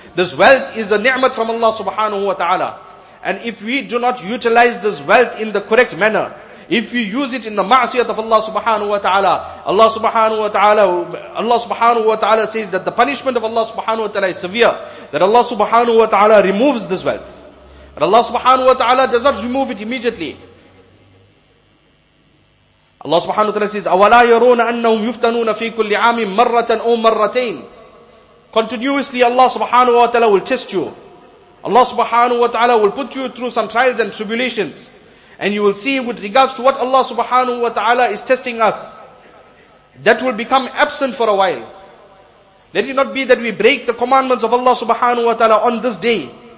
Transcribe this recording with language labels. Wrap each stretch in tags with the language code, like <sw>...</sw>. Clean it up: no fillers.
<en>This wealth is a ni'mat from Allah subhanahu wa ta'ala. And if we do not utilize this wealth in the correct manner, if we use it in the ma'asiyat of Allah subhanahu wa ta'ala, Allah subhanahu wa ta'ala says that the punishment of Allah subhanahu wa ta'ala is severe, that Allah subhanahu wa ta'ala removes this wealth. But Allah subhanahu wa ta'ala does not remove it immediately.</en> <ar>Allah subhanahu wa ta'ala says, أَوَلَا يَرُونَ أَنَّهُمْ يُفْتَنُونَ فِي كُلِّ عَامٍ مَرَّةً أَوْ مَرَّتَيْنَ.</ar> <en>Continuously Allah subhanahu wa ta'ala will test you. Allah subhanahu wa ta'ala will put you through some trials and tribulations. And you will see with regards to what Allah subhanahu wa ta'ala is testing us. That will become absent for a while. Let it not be that we break the commandments of Allah subhanahu wa ta'ala on this day.</en>